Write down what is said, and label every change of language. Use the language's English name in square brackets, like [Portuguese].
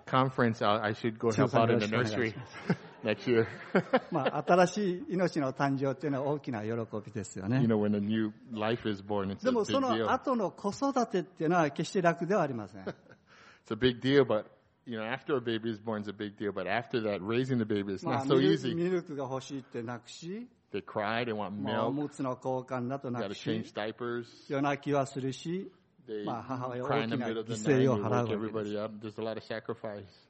[English] conference, I should go help out in the nursery. Next year. [Japanese] まあ、新しい命の誕生というのは大きな喜びですよね。 [English] You know, when a new life is born, it's [Japanese] でもその後の子育てっていうのは決して楽ではありません。 [English] It's a big deal, but you know, after a baby is born, it's a big deal. But after that, raising the baby is not so easy. [Japanese] ミルクが欲しいって泣くし、 [English] they cry, they want milk. [Japanese] おむつの交換だと泣くし、 [English] gotta change diapers. [Japanese] 夜泣きはするし。 [English] They cry in the middle of the night. You wake everybody up. There's a lot of sacrifice.